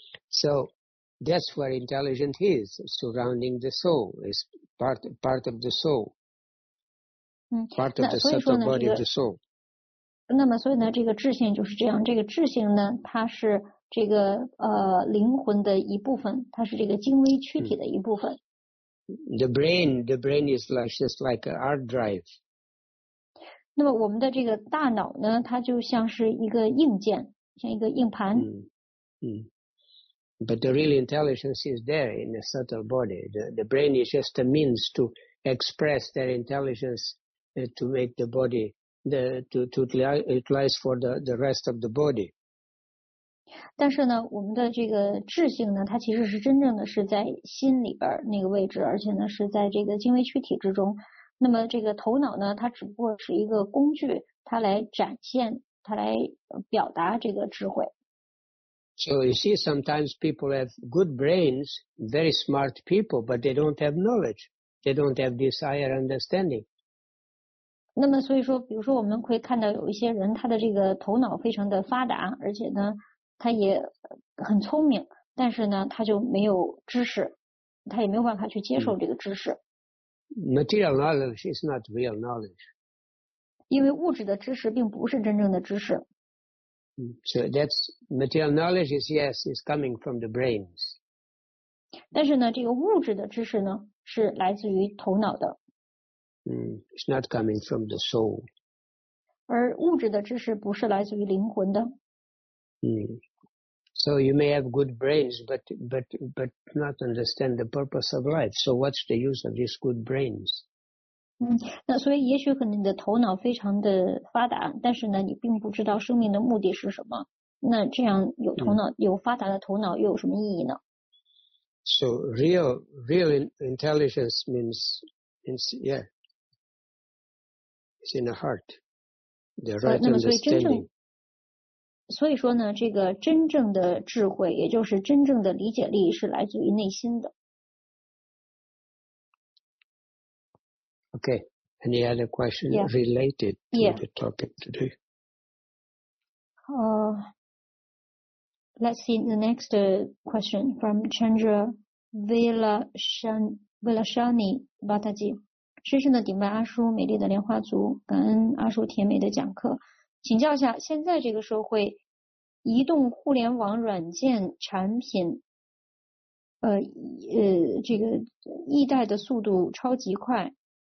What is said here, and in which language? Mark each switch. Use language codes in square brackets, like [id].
[en] So that's where intelligence is, surrounding the soul, is part of the soul. Part of the subtle body of the soul. [zh] 那么所以呢，这个智性就是这样，这个智性呢，它是这个灵魂的一部分，它是这个精微躯体的一部分。 [en] The brain is just like a hard drive. [zh] 那么我们的这个大脑呢，它就像是一个硬件，像一个硬盘。 [en] But the real intelligence is there in the subtle body. The brain is just a means to express their intelligence to make the body to utilize for the rest of the body. [zh] 但是呢，我们的这个智性呢，它其实是真正的是在心里边那个位置，而且呢是在这个精微躯体之中。那么这个头脑呢，它只不过是一个工具，它来展现，它来表达这个智慧。 [en] So you see, sometimes people have good brains, very smart people, but they don't have knowledge. They don't have desire, understanding. [zh] 那么所以说，比如说我们会看到有一些人，他的这个头脑非常的发达，而且呢，他也很聪明，但是呢，他就没有知识，他也没有办法去接受这个知识。 [en] Material knowledge is not real knowledge. [zh] 因为物质的知识并不是真正的知识。 [en] So that's material knowledge is yes, is coming from the brains. [zh] 但是呢，这个物质的知识呢，是来自于头脑的。 [en] It's not coming from the soul. [zh] 而物质的知识不是来自于灵魂的。 [en] So you may have good brains, but not understand the purpose of life. So what's the use of these good brains? [zh] 那所以也许可能你的头脑非常的发达，但是呢，你并不知道生命的目的是什么。那这样有头脑、有发达的头脑又有什么意义呢 [en] ？So real intelligence means yeah, it's in the heart, the right understanding. [zh] 所以说呢，这个真正的智慧，也就是真正的理解力，是来自于内心的。 [en] Okay, any other question yeah. related to yeah. the topic today? Let's see the next question from Chandra Vilashani Bhattaji. [zh] 深深的顶拜阿叔，美丽的莲花族，感恩阿叔甜美的讲课。请教一下，现在这个社会，移动互联网软件产品，这个易贷的速度超级快。